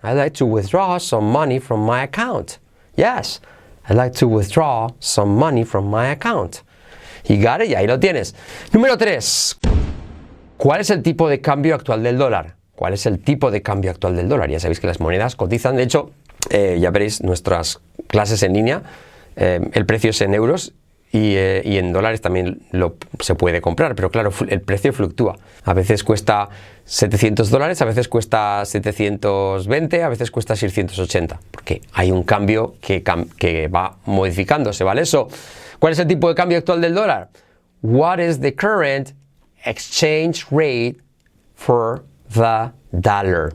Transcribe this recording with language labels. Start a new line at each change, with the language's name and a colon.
English: I'd like to withdraw some money from my account. Yes. I'd like to withdraw some money from my account. You got it?
Spanish: Y ahí lo tienes. Número 3. ¿Cuál es el tipo de cambio actual del dólar? ¿Cuál es el tipo de cambio actual del dólar? Ya sabéis que las monedas cotizan. De hecho, ya veréis nuestras clases en línea. El precio es en euros. Y en dólares también se puede comprar, pero claro, el precio fluctúa. A veces cuesta $700, a veces cuesta 720, a veces cuesta 680, porque hay un cambio que va modificándose, ¿vale? Eso, ¿cuál es el tipo de cambio actual del dólar?
English: What is the current exchange rate for the dollar?